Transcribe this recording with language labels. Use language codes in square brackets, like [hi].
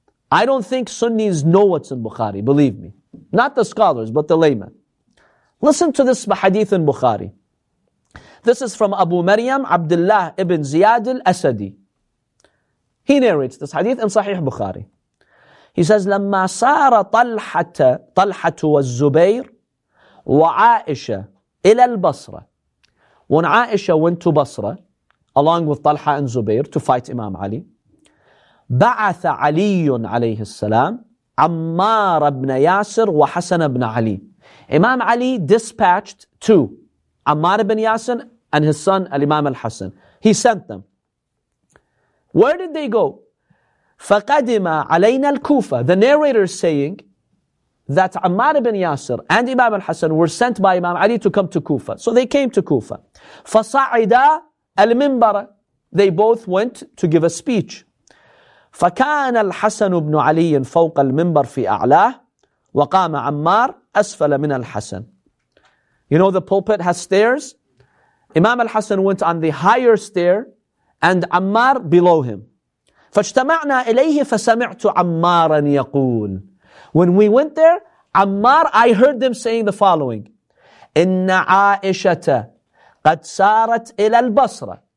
[en] I don't think Sunnis know what's in Bukhari, believe me. Not the scholars, but the layman. Listen to this hadith in Bukhari. This is from Abu Maryam Abdullah ibn Ziyad al-Asadi. He narrates this hadith in Sahih Bukhari. He says, [ar] لما صار طلحة والزبير وعائشة إلى البصرة. [en] When Aisha went to Basra, along with Talha and Zubair, to fight Imam Ali, [ar] بعث علي عليه السلام عمار بن ياسر وحسن بن علي. [en] Imam Ali dispatched two, Ammar ibn Yasir and his son, Al-Imam Al-Hasan. He sent them. Where did they go? [ar] فَقَدِمَا عَلَيْنَا الْكُوفَ. [en] The narrator is saying that Ammar ibn Yasir and Imam al-Hasan were sent by Imam Ali to come to Kufa. So they came to Kufa. [ar] فَصَعِدَا الْمِنْبَرَ. [en] They both went to give a speech. [ar] فَكَانَ الْحَسَنُ بْنُ عَلِيٍّ فَوْقَ الْمِنْبَرِ فِي أَعْلَاهِ وَقَامَ عَمَّارُ أَسْفَلَ مِنَ الْحَسَنِ. [en] You know the pulpit has stairs? Imam al-Hasan went on the higher stair and Ammar below him. [ar] فَاجْتَمَعْنَا إِلَيْهِ فَسَمِعْتُ عَمَّارًا يَقُولُ. [en] When we went there, Ammar, I heard them saying the following. [ar] إِنَّ عَائِشَةَ قَدْ سَارَتْ إِلَى الْبَصْرَةِ.